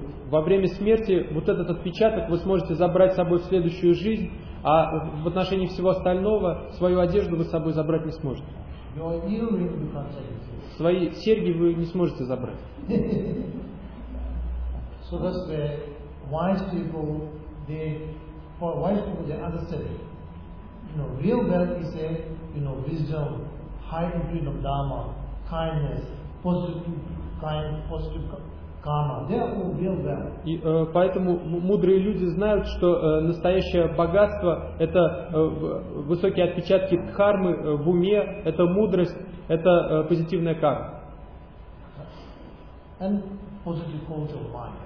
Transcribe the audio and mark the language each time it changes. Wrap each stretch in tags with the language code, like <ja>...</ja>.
<ru>Во время смерти вот этот отпечаток вы сможете забрать с собой в следующую жизнь, а в отношении всего остального свою одежду вы с собой забрать не сможете.</ru> <en>Your earring you can take with you.</en> <ru>Свои серьги вы не сможете забрать.</ru> <en>So that's where wise people, for wise people, they understand it. You know, real wealth is a, you know, wisdom, high imprint of Dharma, kindness, positive karma. They are all real wealth.</en> <ru>И поэтому мудрые люди знают, что настоящее богатство – это высокие отпечатки дхармы в уме, это мудрость, это позитивная карма.</ru> <en>And positive quality of mind.</en>